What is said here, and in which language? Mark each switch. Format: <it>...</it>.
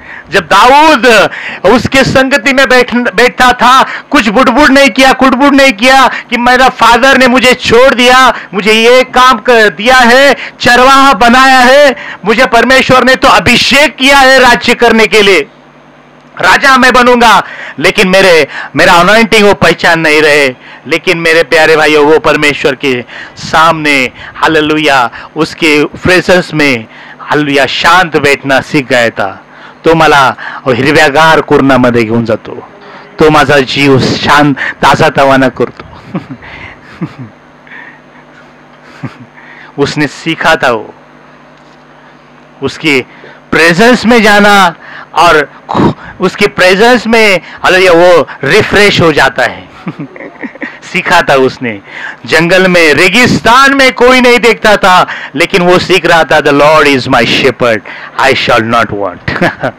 <hi>जब दाऊद उसके संगति में बैठता था, कुछ बुड़बुड़ नहीं किया, कुड़बुड़ नहीं किया कि मेरा फादर ने मुझे छोड़ दिया, मुझे ये काम दिया है, चरवाहा बनाया है, मुझे परमेश्वर ने तो अभिषेक किया है राज्य करने के लिए, राजा मैं बनूंगा, लेकिन मेरा अनॉइंटिंग वो पहचान नहीं रहे। लेकिन मेरे प्यारे भाइयों, वो परमेश्वर के सामने, हालेलुया, उसके प्रेजेंस में, हालेलुया, शांत बैठना सीख गया था।</hi> <mr>तो मला हिरव्यागार कुरणामध्ये घेऊन जातो, तो माझा जीव शांत ताजातवाना करतो।</mr> <hi>उसने सीखा था वो, उसकी प्रेजेंस में जाना और उसकी प्रेजेंस में हालेलुया वो रिफ्रेश हो जाता है। सीखा था उसने, जंगल में, रेगिस्तान में कोई नहीं देखता था, लेकिन वो सीख रहा था,</hi> <en>The lord is my shepherd, I shall not want.</en>